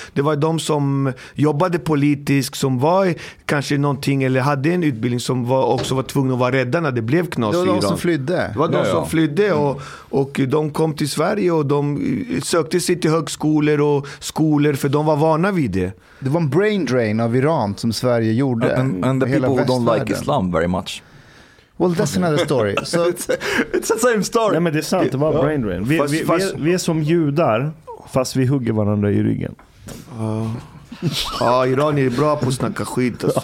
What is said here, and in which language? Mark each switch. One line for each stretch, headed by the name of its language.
Swedish: Det var de som jobbade politiskt, som var kanske någonting eller hade en utbildning, som var, också var tvungna att vara rädda när det blev knas. Det var de som flydde. Det var de som flydde och de kom till Sverige och de sökte sig till högskolor och skolor för de var vana vid det. Det var en brain drain av Iran som Sverige gjorde.
English: And the people who don't like Islam very much. Well, that's another story. So it's the same story.
Swedish: Nej, men det är sant. Det var brain drain. Vi är som judar, fast vi hugger varandra i ryggen. Ja, Iran är bra på att snacka skit.